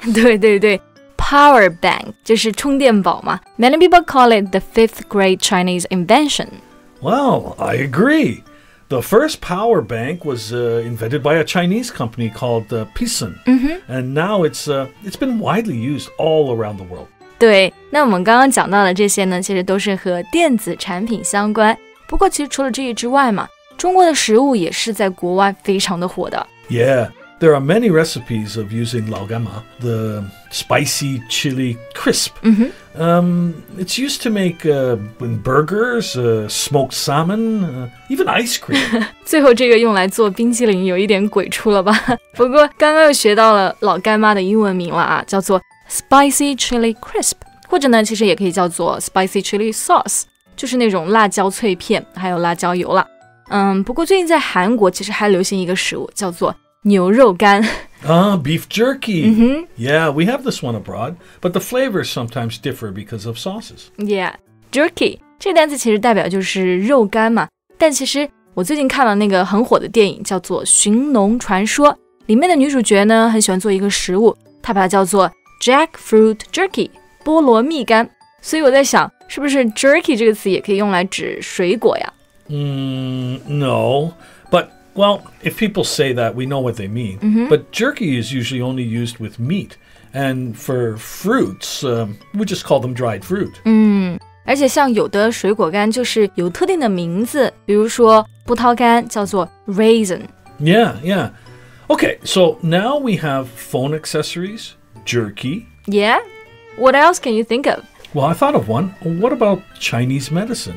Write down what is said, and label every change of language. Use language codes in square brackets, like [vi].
[zh] 对对对 ,power bank, 就是充电宝嘛。 [en] Many people call it the fifth great Chinese invention. Well, I agree. The first power bank was invented by a Chinese company called Pisun. And now it's been widely used all around the world. [zh] 对，那我们刚刚讲到的这些呢，其实都是和电子产品相关。不过其实除了这些之外嘛，中国的食物也是在国外非常的火的。 [en] Yeah, there are many recipes of using 老干妈, the spicy chili crisp. It's used to make burgers, smoked salmon, even ice cream. [zh] 最后这个用来做冰淇淋有一点鬼畜了吧。不过刚刚又学到了老干妈的英文名了啊，叫做 spicy chili crisp, 或者呢其实也可以叫做 spicy chili sauce, 就是那种辣椒脆片还有辣椒油了。不过最近在韩国其实还流行一个食物叫做牛肉干。 [en] Beef jerky.、 Mm-hmm. Yeah, we have this one abroad, but the flavors sometimes differ because of sauces. Yeah, jerky. [zh] 这个单词其实代表就是肉干嘛。但其实我最近看了那个很火的电影叫做《寻龙传说》，里面的女主角呢很喜欢做一个食物，她把它叫做 jackfruit jerky, 菠萝蜜干。所以我在想，是不是 jerky 这个词也可以用来指水果呀？ [en] No, but, well, if people say that, we know what they mean.、 Mm-hmm. But jerky is usually only used with meat. And for fruits,、we just call them dried fruit. [zh] 而且像有的水果干就是有特定的名字，比如说葡萄干叫做 raisin. [en] Yeah, yeah. Okay, so now we have phone accessories, jerky. Yeah? What else can you think of? Well, I thought of one. What about Chinese medicine?、